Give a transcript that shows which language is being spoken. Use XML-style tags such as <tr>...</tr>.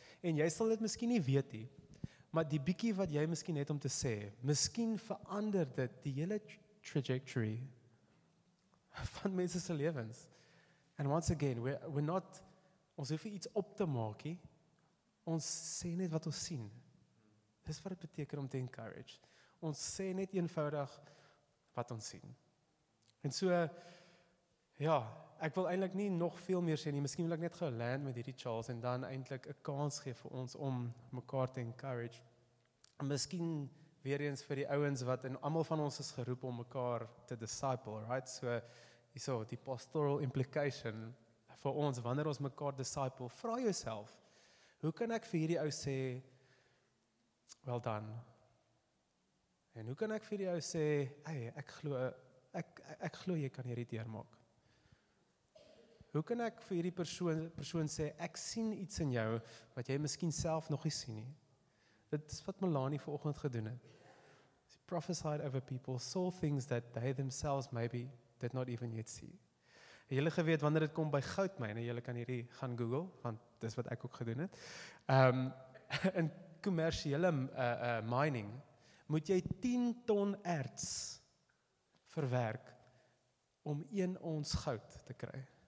<af>En jy sal dit miskien nie weet nie, maar die bietjie wat jy miskien het om te sê, miskien verander dit die hele trajectory van mense se lewens.</af> <en>And once again, we're not,</en> <af>ons hoef iets op te maak, Ons sê net wat ons sien. Dis wat het beteken om te encourage. Ons sê net eenvoudig wat ons sien. En so, ja, ek wil eintlik nie nog veel meer sê nie. Miskien wil ek net gaan land met hierdie Charles en dan eintlik 'n kans gee vir ons om mekaar te encourage. Miskien weer eens vir die ouens wat in almal van ons is geroep om mekaar te disciple, right? So, hierso die pastoral implication vir ons, wanneer ons mekaar disciple, vra jouself, hoe kan ek vir hierdie ou sê,</af> <en>well done?</en> <af>En hoe kan ek vir hierdie ou sê, hey, ek glo jy kan hierdie deurmaak? Hoe kan ek vir hierdie persoon sê, ek sien iets in jou, wat jy miskien self nog nie sien nie? Dit is wat Melanie vanoggend gedoen het.</af> <en>She prophesied over people, saw things that they themselves maybe did not even yet see.</en> <af>En jylle geweet, wanneer dit kom by goudmyne, jylle kan hierdie gaan Google, want dis wat ek ook gedoen het. In commerciële mining, moet jy 10 ton erts verwerk om 1 ons goud te kry.</af>